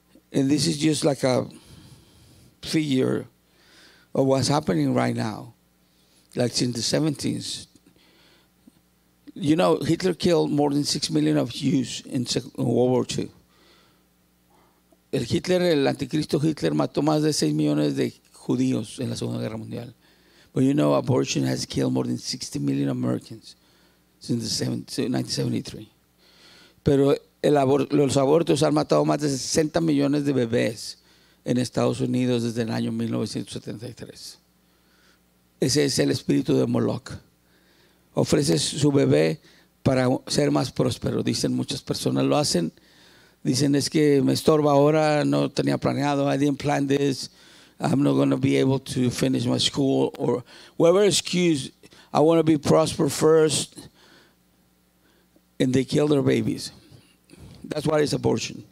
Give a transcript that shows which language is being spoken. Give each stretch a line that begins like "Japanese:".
English: And this is just like a figure of what's happening right now, like since the 70s. You know, Hitler killed more than 6 million of Jews in World War II.
Spanish: El Hitler, el anticristo Hitler, mató más de 6 millones de judíos en la Segunda Guerra Mundial.
English: But you know, abortion has killed more than 60 million Americans since 1973.
Spanish: Pero los abortos han matado más de 60 millones de bebés en Estados Unidos desde el año 1973. Ese es el espíritu de Moloch. Ofrece su bebé para ser más próspero, dicen muchas personas. Lo hacen, dicen, es que me estorba ahora, no tenía planeado,
English: I didn't plan this, I'm not going to be able to finish my school, or whatever excuse, I want to be prosper first, and they kill their babies. That's why it's abortion.